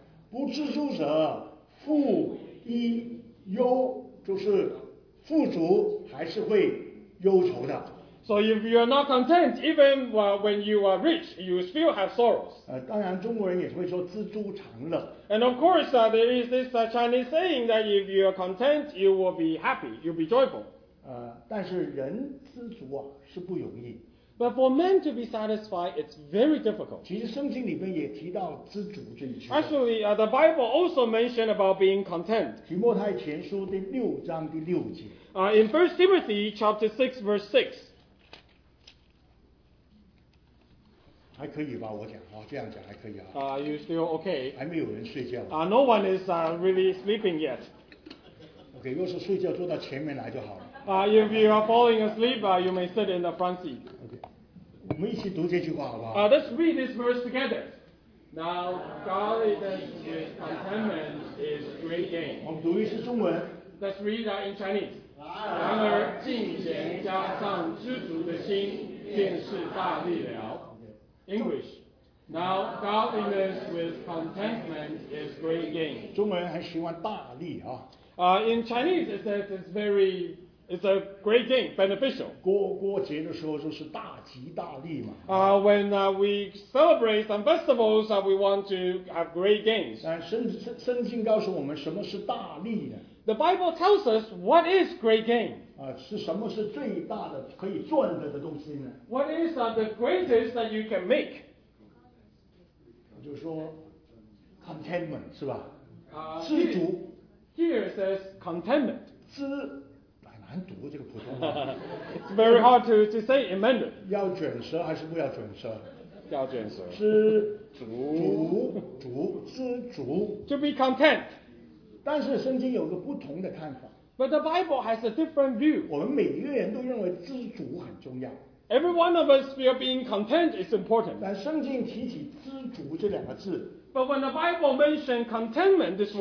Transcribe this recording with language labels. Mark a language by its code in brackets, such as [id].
[zh] 不知足者富亦憂，就是富足还是会忧愁的。 [en] So if you are not content, even when you are rich, you still have sorrows. [zh] 当然中国人也会说知足常乐。 [en] And of course, there is this Chinese saying that if you are content, you will be happy, you'll be joyful. [zh] 但是人知足啊是不容易。 [en] But for men to be satisfied, it's very difficult. [zh] 其实圣经里面也提到知足这一句。 [en] Actually, the Bible also mentioned about being content. [zh] 提摩太前书第六章第六节。 [en] In 1 Timothy chapter 6, verse 6. [zh] 还可以吧，我讲，这样讲还可以啊。 [en] You still okay? [zh] 还没有人睡觉。 [en] No one is really sleeping yet. [zh] Okay, 若是睡觉，坐到前面来就好了。 [en] If you are falling asleep, you may sit in the front seat. Okay. [zh] 我们一起读这句话好不好？ [en] Let's read this verse together. Now, godliness with contentment is great gain. [zh] 我们读一次中文。 [en] Let's read that in Chinese. [zh] 然而敬虔加上知足的心，便是大力了。 [en] English. Now, godliness with contentment is great gain. [zh] 中文很喜欢大力啊。 [en] In Chinese, it says it's very... It's a great thing, beneficial. [zh] 过节的时候就是大吉大利嘛。 [en] When we celebrate some festivals, we want to have great gains. [zh] 圣经告诉我们什么是大利呢？ [en] The Bible tells us what is great gain. [zh] 是什么是最大的可以赚得的东西呢？ [en] What is the greatest that you can make? [zh] 就是说 contentment, 是吧？知足。 [en] Here it says contentment. [zh] 知难读这个普通话。 [en] It's very hard to say in Mandarin. [zh] 要卷舌还是不要卷舌？要卷舌。知足。知足。 [en] To be content. [zh] 但是圣经有个不同的看法。 [en] But the Bible has a different view. [zh] 我们每一个人都认为知足很重要。 [en] Every one of us feel being content is important. [zh] 但圣经提起知足这两个字。 [en] But when the Bible mentioned contentment, this word,